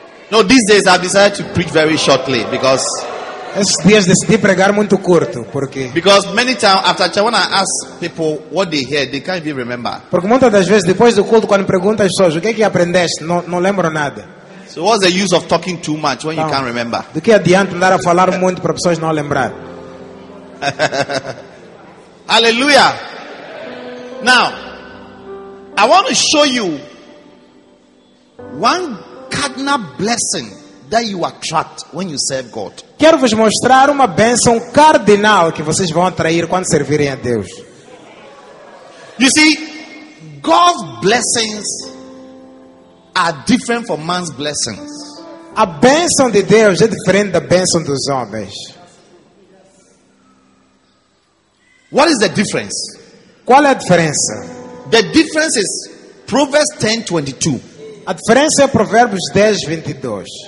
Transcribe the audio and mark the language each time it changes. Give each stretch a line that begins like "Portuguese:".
English: No, these days I've decided to preach very shortly because
Portuguese: esses dias decidi pregar muito curto, porque
English: because many times after church when I ask people what they hear, they can't even remember.
Portuguese: Porque muitas das vezes depois do culto quando pergunto às pessoas, o que é que aprendeste? Não lembro nada.
English: So what's the use of talking too much when you can't remember?
Portuguese: Do que adianta andar a falar muito para pessoas não lembrar?
English: Hallelujah. Now, I want to show you one cardinal blessing that you attract when you serve God.
Portuguese: Quero vos mostrar uma bênção cardinal que vocês vão atrair quando servirem a Deus.
English: You see, God's blessings are different from man's blessings.
Portuguese: A bênção de Deus é diferente da bênção dos homens.
English: What is the difference?
Portuguese: Qual é a diferença?
English: The difference is Proverbs 10:22.
Portuguese: A diferença é Provérbios 10:22.